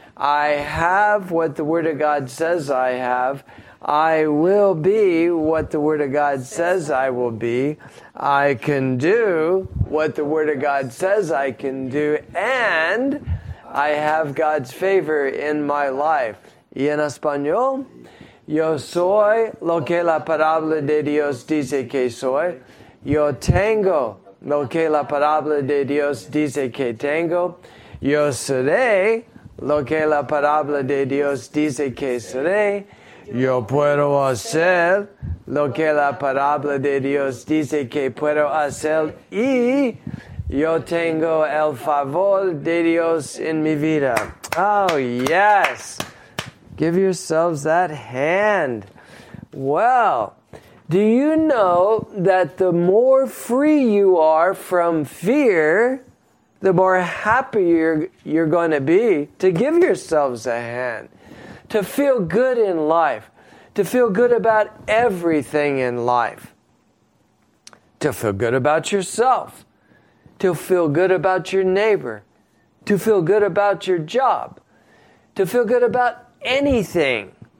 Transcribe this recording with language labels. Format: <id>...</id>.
<en>I have what the Word of God says I have. I will be what the Word of God says I will be. I can do what the Word of God says I can do. And I have God's favor in my life.</en> <es>Y en español, yo soy lo que la palabra de Dios dice que soy. Yo tengo lo que la palabra de Dios dice que tengo. Yo seré lo que la palabra de Dios dice que seré. Yo puedo hacer lo que la palabra de Dios dice que puedo hacer. Y yo tengo el favor de Dios en mi vida.</es> <en>Oh, yes. Give yourselves that hand. Well, do you know that the more free you are from fear, the more happy you're going to be to give yourselves a hand, to feel good in life, to feel good about everything in life, to feel good about yourself, to feel good about your neighbor, to feel good about your job, to feel good about anything.</en>